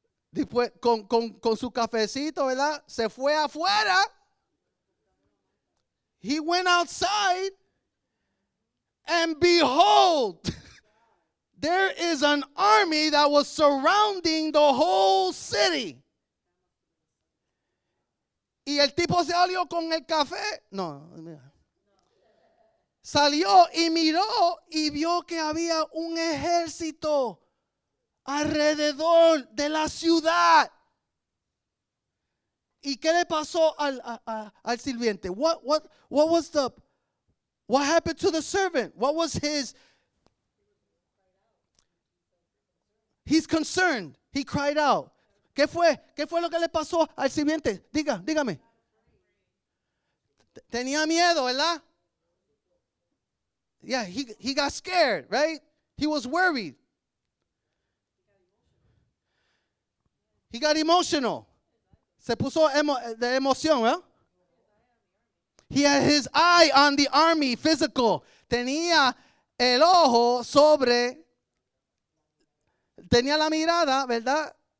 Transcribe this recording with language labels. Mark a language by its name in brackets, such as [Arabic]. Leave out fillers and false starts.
[Spanish] Después, con su cafecito, ¿verdad? Se fue afuera. [English] He went outside. And behold, there is an army that was surrounding the whole city. [Spanish] ¿Y el tipo se alió con el café? No. Salió y miró y vio que había un ejército alrededor de la ciudad. ¿Y qué le pasó al sirviente? [English] What happened to the servant? What was his? He's concerned. He cried out. [Spanish] ¿Qué fue lo que le pasó al sirviente? Dígame. Tenía miedo, ¿verdad? [English] Yeah, he got scared, right? He was worried. He got emotional. [Spanish] Se puso de emoción, ¿eh? [English] He had his eye on the army, physical. [Spanish] Tenía el ojo sobre, tenía la mirada, ¿verdad?